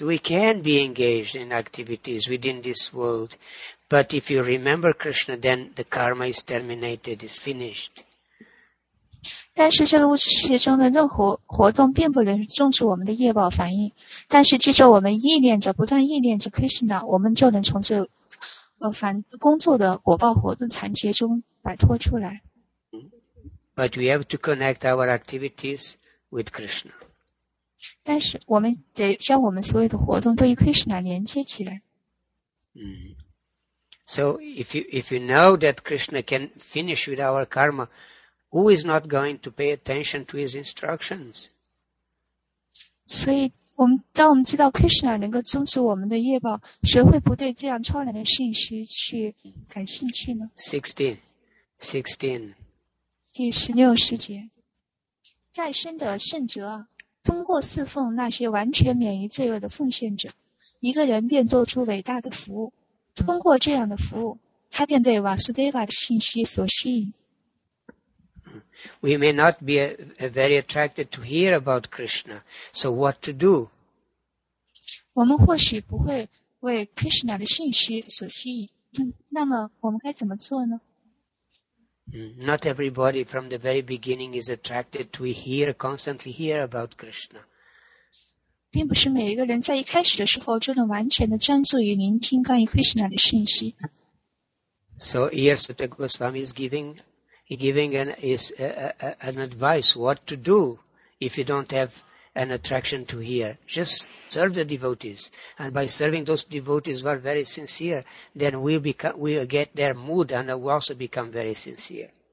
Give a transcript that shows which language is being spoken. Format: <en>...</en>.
<en>We can be engaged in activities within this world. But if you remember Krishna, then the karma is terminated, is finished.</en> <zh>但是这个物质世界中的任何活动并不能终止我们的业报反应。但是记着我们意念着不断意念着 Krishna, 我们就能从这反工作的果报活动缠结中摆脱出来。</zh> <en>But we have to connect our activities with Krishna.</en> <zh>但是我们得将我们所有的活动都与 Krishna 连接起来。</zh> <en>So if you know that Krishna can finish with our karma, who is not going to pay attention to his instructions?</en> <zh>所以我们当我们知道 Krishna 能够终止我们的业报，谁会不对这样超然的信息去感兴趣呢？ 16节。再生的圣哲，通过侍奉那些完全免于罪恶的奉献者，一个人便做出伟大的服务。通过这样的服务，他便被 Vasudeva 的信息所吸引。</zh> <en>We may not be very attracted to hear about Krishna, so what to do?</en> <zh>我们或许不会为 Krishna 的信息所吸引，那么我们该怎么做呢？</zh> <en>Not everybody from the very beginning is attracted to constantly hear about Krishna.</en> <zh>并不是每一个人在一开始的时候就能完全的专注于聆听关于 Krishna 的信息。</zh> <en>So here Sutta Goswami is giving an advice what to do if you don't have an attraction to hear. Just serve the devotees. And by serving those devotees who are very sincere, then we'll get their mood and we'll also become very sincere.</en>